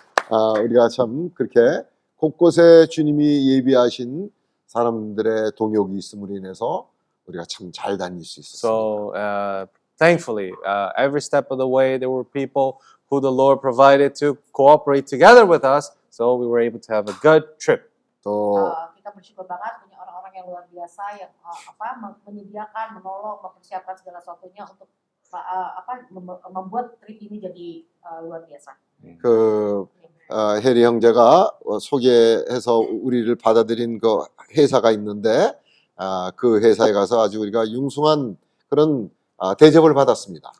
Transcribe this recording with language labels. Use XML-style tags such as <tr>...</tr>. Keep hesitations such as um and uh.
<ko>아 우리가 참 그렇게 곳곳에 주님이 예비하신 사람들의 동역이 있음으로 인해서 우리가 참 잘 다닐 수 있었습니다.</ko> <en>So, uh, thankfully, uh, every step of the way, there were people who the Lord provided to cooperate together with us. So we were able to have a good trip. So, uh,</en> <id>kita bersyukur banget punya orang-orang yang luar biasa yang uh, apa menyediakan, menolong, mempersiapkan segala sesuatunya untuk uh, apa mem membuat trip ini jadi uh, luar biasa.</id> <ko>그 해리 어, 형제가 소개해서 우리를 받아들인 그 회사가 있는데 아, 그 회사에 가서 아주 우리가 융숭한 그런 아, 대접을 받았습니다.</ko>